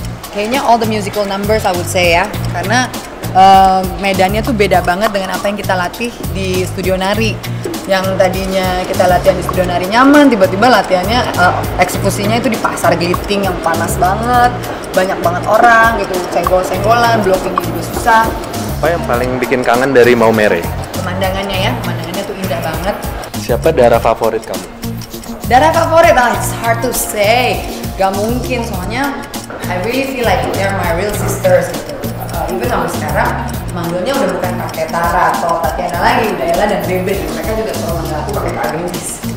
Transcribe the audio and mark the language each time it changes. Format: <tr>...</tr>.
<id>Kayaknya</id> <en>all the musical numbers, I would say ya.</en> <id>Karena medannya tuh beda banget dengan apa yang kita latih di studio nari. Yang tadinya kita latihan di studio nari nyaman, tiba-tiba latihannya eksekusinya itu di pasar Gliting yang panas banget, banyak banget orang gitu, senggol-senggolan, blockingnya juga susah. Apa yang paling bikin kangen dari Maumere? Pemandangannya ya, pemandangannya tuh indah banget. Siapa darah favorit kamu? Darah favorit?</id> <en>Oh, it's hard to say.</en> <id>Gak mungkin, soalnya</id> <en>I really feel like they're my real sisters gitu.</en> <id>Even sama sekarang, manggilnya udah bukan pakai Tara atau Tatiana lagi, Daela dan Bebe. Mereka juga selalu manggil aku pakai Kak Gendis.</id>